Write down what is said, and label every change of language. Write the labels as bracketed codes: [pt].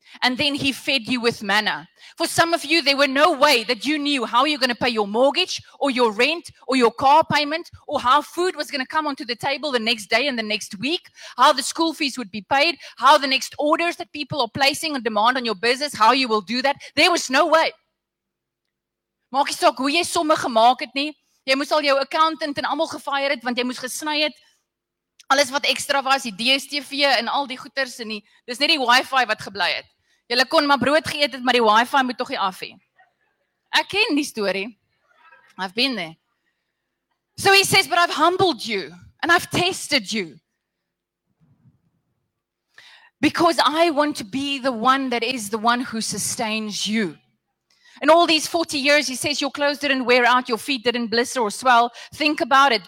[en] And then he fed you with manna. For some of you, there were no way that you knew how you're going to pay your mortgage or your rent or your car payment or how food was going to come onto the table the next day and the next week, how the school fees would be paid, how the next orders that people are placing and demand on your business, how you will do that. There was no way. [af] Maak jy saak hoe jy somme gemaak het nie. Jy moes al jou accountant en almal gefyer het, want jy moes gesny het. Alles wat extra was, die DSTV en al die goeders en die, dis net die wifi wat geblei het. Julle kon maar brood geëet het, maar die wifi moet tog nie af hê. Ek ken die story. [en] I've been there. So he says, but I've humbled you and I've tested you. Because I want to be the one that is the one who sustains you. In all these 40 years, he says, your clothes didn't wear out, your feet didn't blister or swell. Think about it.